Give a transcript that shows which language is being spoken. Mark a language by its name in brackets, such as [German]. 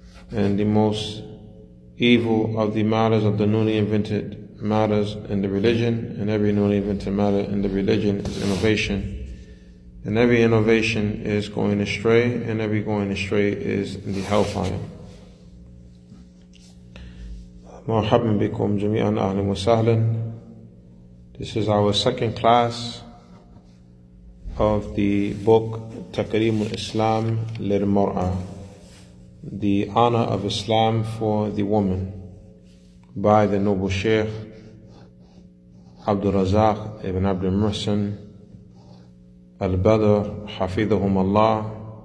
[English] And the most evil of the matters of the newly invented matters in the religion, and every newly invented matter in the religion is innovation. And every innovation is going astray, and every going astray is in the hellfire. [Arabic] مرحباً بكم جميعاً أهلاً وسهلاً. [English] This is our second class of the book تكريم الإسلام للمرأة, The Honor of Islam for the Woman, by the noble Sheikh Abdul Razak ibn Abdul Muhsin Al-Badr, [Arabic] حفظهم الله.